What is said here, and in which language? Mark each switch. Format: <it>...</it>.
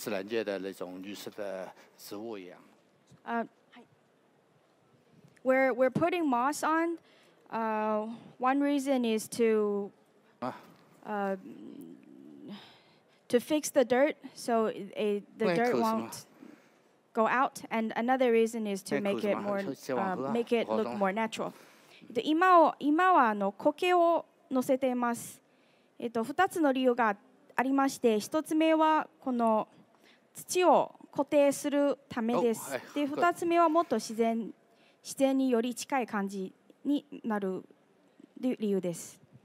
<zh>现在呢，在铺种这个苔藓，苔藓因为它上去以后可以保护这个土，不会让它流失。同时呢，它也是像这个自然界的那种绿色的植物一样。</zh> <en>We're putting moss on. One reason is to to fix the dirt so the dirt won't go out, and another reason is to make it more make it look more natural.</en> <ja>で、今はあの苔を乗せています。 2つの理由がありまして、1つ目はこの土を固定するためです。で、2つ目はもっと自然により近い感じになる理由です。</ja>